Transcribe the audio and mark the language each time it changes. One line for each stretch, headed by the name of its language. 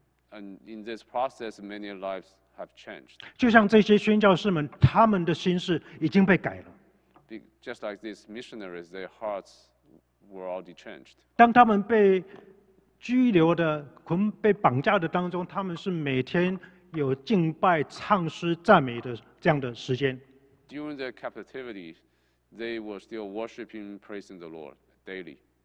English: And in this process, many lives have changed.
Chinese: 就像这些宣教士们，他们的心是已经被改了。
English: Just like these missionaries, their hearts were already changed.
Chinese: 当他们被拘留的、捆被绑架的当中，他们是每天有敬拜、唱诗、赞美的这样的时间。
English: During their captivity, they were still worshiping, praising the Lord daily.